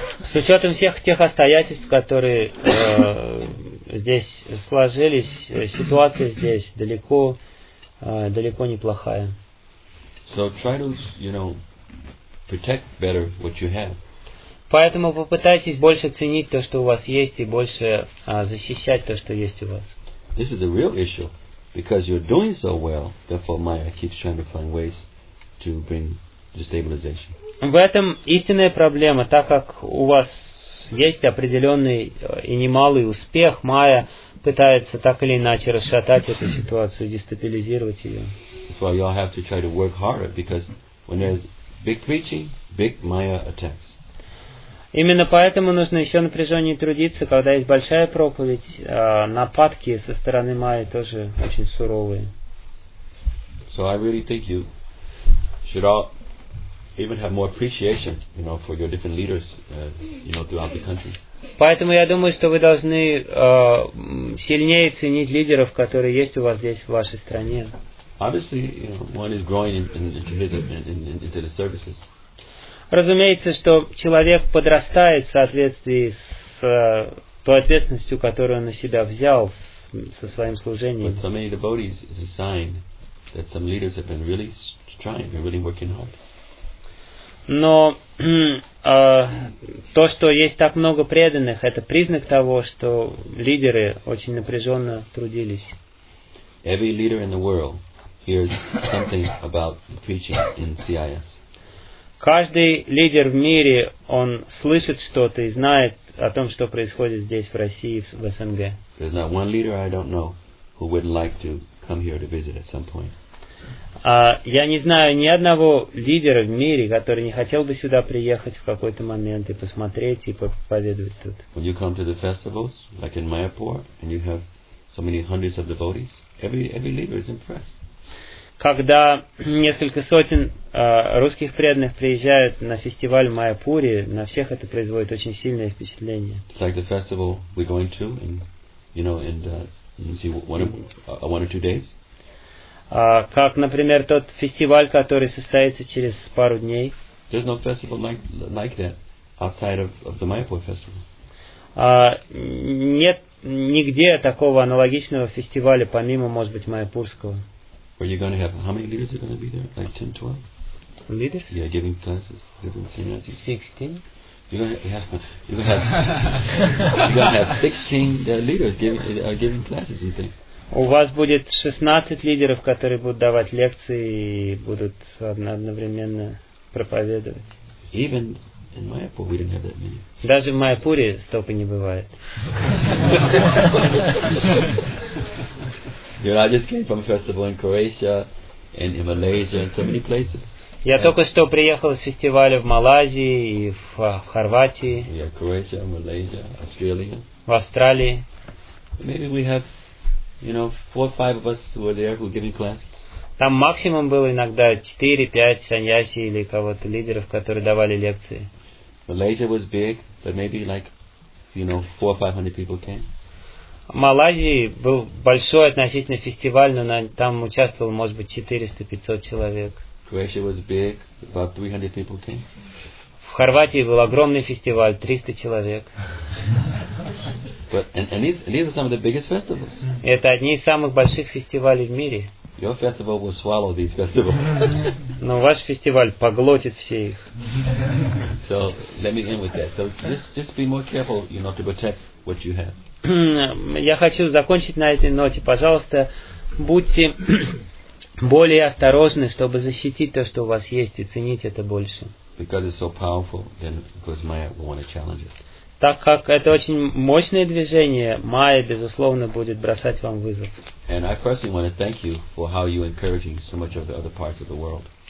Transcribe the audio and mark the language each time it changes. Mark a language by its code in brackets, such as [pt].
[ru] С учетом всех тех обстоятельств, которые здесь сложились, ситуация здесь далеко неплохая. [en] So try to, you know, protect better what you have. [ru] Поэтому попытайтесь больше ценить то, что у вас есть, и больше защищать то, что есть у вас. [en] This is the real issue. because you're doing so well, therefore Maya keeps trying to find ways to bring the stabilization. [ru] В этом истинная проблема, так как у вас есть определенный и немалый успех, Майя пытается так или иначе расшатать эту ситуацию, дестабилизировать ее. [en] That's why you all have to try to work harder, because when there's big preaching, big Maya attacks. [ru] Именно поэтому нужно еще напряженнее трудиться, когда есть большая проповедь, нападки со стороны Майи тоже очень суровые. [en] So I really think you should all even have more appreciation, you know, for your different leaders, you know, throughout the country. [ru] Поэтому я думаю, что вы должны сильнее ценить лидеров, которые есть у вас здесь в вашей стране. [en] Obviously, you know, one is growing into the services. [ru] Разумеется, что человек подрастает в соответствии с той ответственностью, которую он на себя взял со своим служением. [en] But so many devotees is a sign that some leaders have been really trying, they're really working hard. [ru] Но то, что есть так много преданных, это признак того, что лидеры очень напряженно трудились. [en] Every leader in the world hears something about preaching in CIS. [ru] Каждый лидер в мире, он слышит что-то и знает о том, что происходит здесь, в России, в СНГ. [en] There's not one leader I don't know who wouldn't like to come here to visit at some point. [ru] Я не знаю ни одного лидера в мире, который не хотел бы сюда приехать в какой-то момент и посмотреть, и поведать тут. [en] When you come to the festivals, like in Mayapur, and you have so many hundreds of devotees, every leader is impressed. [ru] Когда несколько сотен русских преданных приезжают на фестиваль в Майяпуре, на всех это производит очень сильное впечатление. [en] It's like the festival we're going to, and, you know, and see one or two days. [ru] Как, например, тот фестиваль, который состоится через пару дней. [en] There's no festival like that outside of the Mayapur festival. [ru] Нет нигде такого аналогичного фестиваля, помимо, может быть, Майяпурского. [en] Are you going to have, how many leaders are going to be there? Like 10, 12? Leaders? Yeah, giving classes, giving seminars. 16? You're going to have 16 leaders giving classes and things. [ru] У вас будет 16 лидеров, которые будут давать лекции и будут одновременно проповедовать. [en] Even in Mayapur we didn't have that many. [ru] Даже в Майяпуре столько не бывает. [en] You know, I just came from a festival in Croatia and in Malaysia and so many places. [ru] Я только что приехал с фестиваля в Малайзии и в Хорватии. [en] Yeah, Croatia, Malaysia, Australia. [ru] В Австралии. [en] Maybe we have, you know, 4 or 5 of us who were there who were giving classes. [ru] Там максимум было иногда 4-5 саньяси или кого-то лидеров, которые давали лекции. [en] Malaysia was big, but maybe like, you know, 400 or 500 people came. [ru] Малайзии был большой относительно фестиваль, но там участвовало, может быть, 400-500 человек. [en] Croatia was big, about 300 people came. [ru] В Хорватии был огромный фестиваль, 300 человек. [en] But and these are some of the biggest festivals. [ru] Это одни из самых больших фестивалей в мире. [en] Your festival will swallow these festivals. [ru] Но ваш фестиваль поглотит все их. [en] So let me end with that. So just be more careful, you know, to protect what you have. [ru] Я хочу закончить на этой ноте. Пожалуйста, будьте более осторожны, чтобы защитить то, что у вас есть, и ценить это больше. [en] Because it's so powerful, then because Maya will want to challenge it. [ru] Так как это очень мощное движение, Майя, безусловно, будет бросать вам вызов. [en] And I personally want to thank you for how you're encouraging so much of the other parts of the world.